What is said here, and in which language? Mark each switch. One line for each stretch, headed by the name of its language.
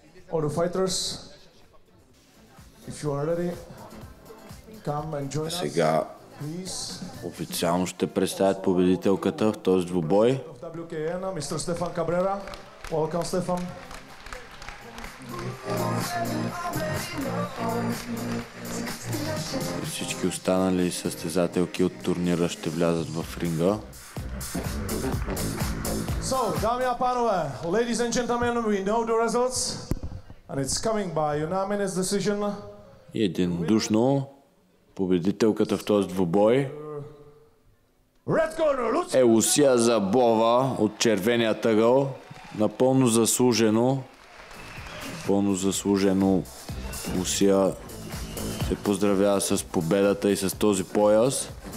English: All the fighters, if you are ready, come and join us.
Bulgarian: Сега официално ще представят победителката в този двубой.
English: WKN, Mr. Stefan Cabrera. Welcome, Stefan.
Bulgarian: Всички останали състезателки от турнира ще влязат в ринга.
English: So,
Czech: dámy a pánové,
English: ladies and gentlemen, we know the results and it's coming by unanimous decision.
Bulgarian: Единодушно победителката в този двубой е усия Забова от червения тъгъл. Напълно заслужено. Напълно заслужено усия се поздравява с победата и с този пояс.